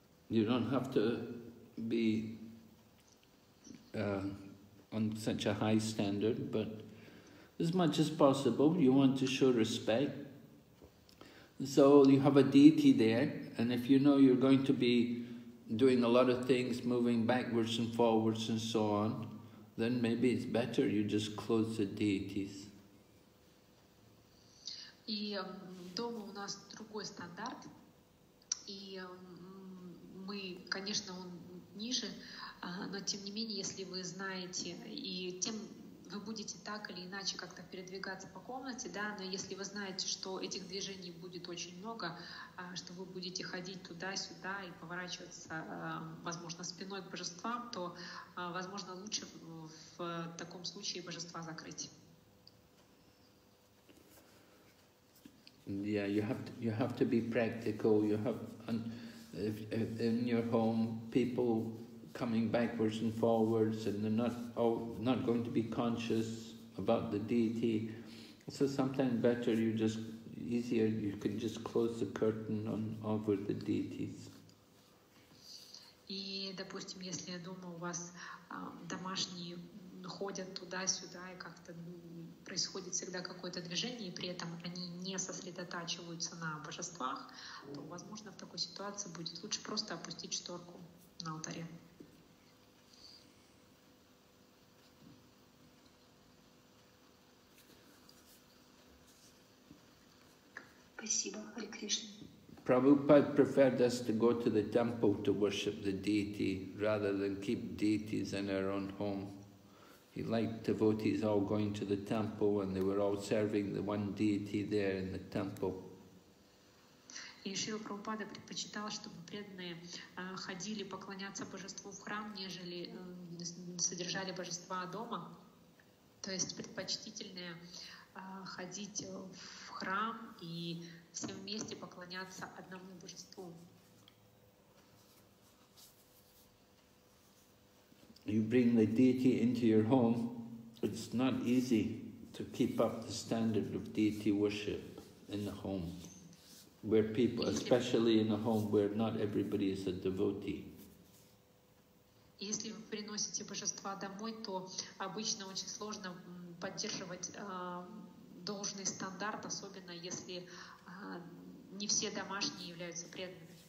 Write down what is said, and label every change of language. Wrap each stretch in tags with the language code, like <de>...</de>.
<en>You don't have to be on such a high standard, but as much as possible, you want to show respect. So you have a deity there, and if you know you're going to be doing a lot of things, moving backwards and forwards and so on, then maybe it's better you just close the deities.</en> <ru>И дома у нас другой стандарт, и мы, конечно, он ниже, но тем не менее, если вы знаете, и тем вы будете так или иначе как-то передвигаться по комнате, да, но если вы знаете, что этих движений будет очень много, что вы будете ходить туда-сюда и поворачиваться, возможно, спиной к божествам, то, возможно, лучше в таком случае божества закрыть.</ru> <en>Yeah, you have to be practical. You have, and if in your home, people coming backwards and forwards, and they're not going to be conscious about the deity. So sometimes better you can just close the curtain on over the deities.</en> <ru>И допустим, если дома у вас домашние ходят туда-сюда и как-то происходит всегда какое-то движение, и при этом они не сосредотачиваются на божествах, то, возможно, в такой ситуации будет лучше просто опустить шторку на алтаре. Спасибо, Хари Кришна.</ru> <en>Prabhupada preferred us to go to the temple to worship the deity rather than keep deities in our own home. He liked devotees all going to the temple, and they were all serving the one deity there in the temple.</en> <ru>И Шрила Прабхупада предпочитал, чтобы преданные ходили поклоняться божеству в храм, нежели содержали божества дома. То есть предпочтительнее ходить в храм и все вместе поклоняться одному божеству.</ru> <en>You bring the deity into your home, it's not easy to keep up the standard of deity worship in the home, where people, especially in a home where not everybody is a devotee.</en> <ru>Если вы приносите божества домой, то обычно очень сложно поддерживать должный стандарт, особенно если не все домашние являются преданными.</ru>